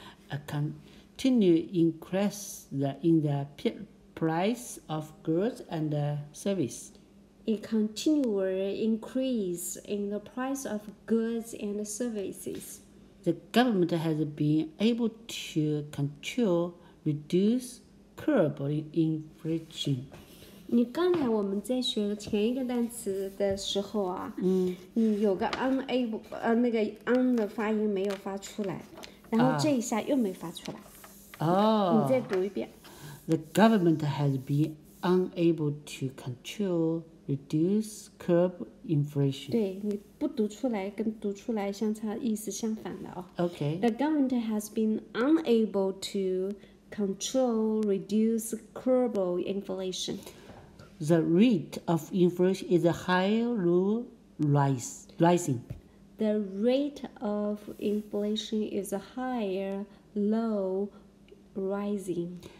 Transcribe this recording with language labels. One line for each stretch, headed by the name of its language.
English: A continued increase in the price of goods and service. A continual increase in the price of goods and services. The government has been able to control, reduce, curb inflation.
Chinese: 你刚才我们在学前一个单词的时候啊，嗯，你有个 unable， 那个 un 的发音没有发出来，然后这一下又没发出来。哦。你再读一遍。
English: The government has been unable to control, reduce, curb inflation.
Chinese: 对，你不读出来跟读出来相差意思相反的哦。
English: Okay. The government has been unable to control, reduce, curb inflation. The rate of inflation is high or rising. The rate of inflation is higher, low, rising.